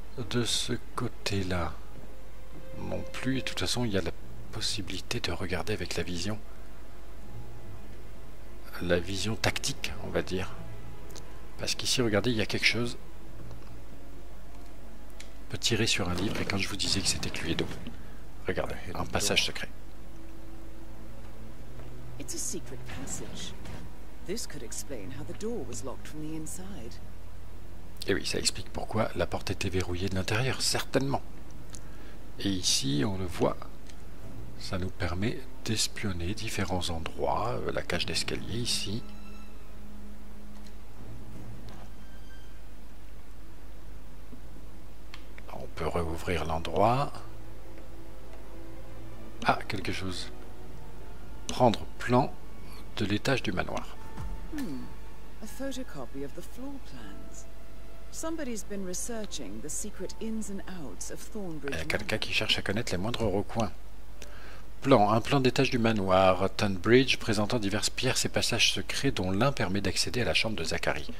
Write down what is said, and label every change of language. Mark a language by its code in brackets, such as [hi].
[fr] De ce côté-là, non plus. Et de toute façon, il y a la possibilité de regarder avec la vision tactique, on va dire. Parce qu'ici, regardez, il y a quelque chose. On peut tirer sur un livre, et quand je vous disais que c'était Cluedo, regardez, un passage secret. [en] It's a secret passage. This could explain how the door was locked from the inside. [fr] Et oui, ça explique pourquoi la porte était verrouillée de l'intérieur, certainement. Et ici, on le voit, ça nous permet d'espionner différents endroits, la cage d'escalier ici. On peut réouvrir l'endroit. Ah, quelque chose. Prendre plan de l'étage du manoir. [en] A photocopy of the floor plans. Somebody's been researching the secret ins and outs of Thornbridge. [fr] Il y a quelqu'un qui cherche à connaître les moindres recoins. Plan, un plan d'étage du manoir, Thornbridge, présentant diverses pierres et passages secrets dont l'un permet d'accéder à la chambre de Zachary.